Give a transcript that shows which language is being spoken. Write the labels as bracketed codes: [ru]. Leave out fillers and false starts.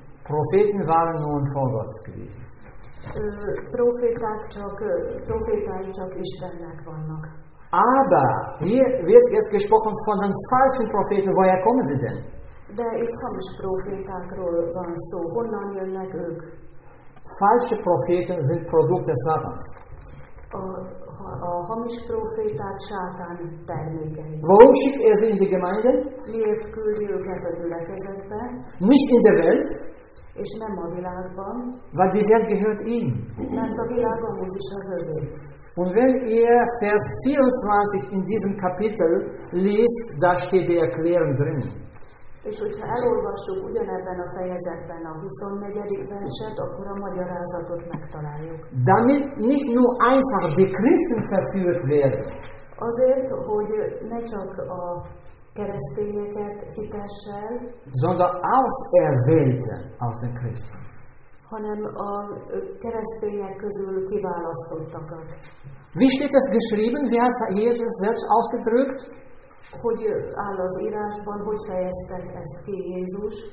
[de] Propheten waren nur von Gott gewesen. [hu] Proféták csak Istennek vannak. [de] Aber hier wird jetzt gesprochen von den falschen Propheten. Woher kommen sie denn? [hu] De itt hamis profétákról van szó. Honnan jönnek ők? [de] Falsche Propheten sind Produkte Satans. [hu] a hamis prófétát sátán termékei. [de] Warum schickt er sie in die Gemeinde? [hu] Miért küldi őket a gyülekezetbe? [de] Nicht in der Welt. [hu] És nem a világban. [de] Weil die Welt gehört ihm. [hu] Mert a világ ahhoz is az övé. [de] Und wenn ihr Vers 24 in diesem Kapitel liest, da steht die Erklärung drin. [hu] És hogyha elolvassuk ugyanebben a fejezetben a 24. verset, akkor a magyarázatot megtaláljuk. [de] Damit nicht nur einfach die Christen verführt werden. [hu] Azért, hogy ne csak a keresztényeket hitessel, [de] sondern auserwählte aus den Christen. [hu] Hanem a keresztények közül kiválasztottakat. [de] Wie steht es geschrieben? Wie hat Jesus selbst ausgedrückt? [hu] Hogy áll az írásban, hogy fejezte ezt ki Jézus?